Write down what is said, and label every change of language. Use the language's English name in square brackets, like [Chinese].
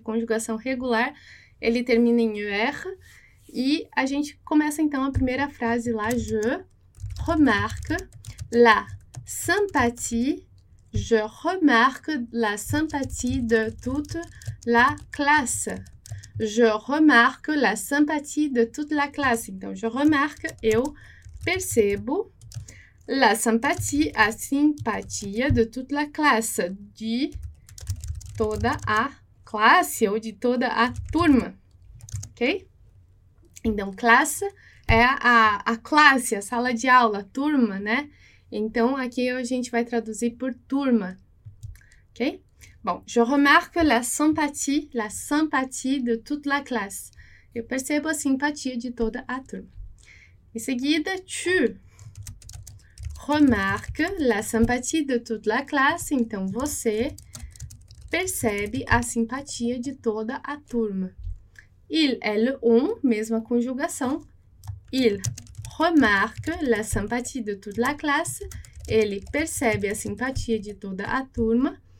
[Portuguese] De conjugação regular, ele termina em er, e a gente começa então a primeira frase lá, [French] je remarque la sympathie, je remarque la sympathie de toute la classe. Je remarque la sympathie de toute la classe. [Portuguese] Então, [French] je remarque, [Portuguese] eu percebo [French] la sympathie, [Portuguese] a simpatia [French] de toute la classe, [Portuguese] de toda a classe ou de toda a turma, ok? Então, classe é a classe, a sala de aula, a turma, né? Então, aqui a gente vai traduzir por turma, ok? [French] Bom, je remarque la sympathie de toute la classe. [Portuguese] Eu percebo a simpatia de toda a turma. Em seguida, [French] tu remarque la sympathie de toute la classe. [Portuguese] Então, você percebe a simpatia de toda a turma. Il, elle, on, mesma conjugação. [French] Il remarque la sympathie de toute la classe. [Portuguese] Ele percebe a simpatia de toda a turma.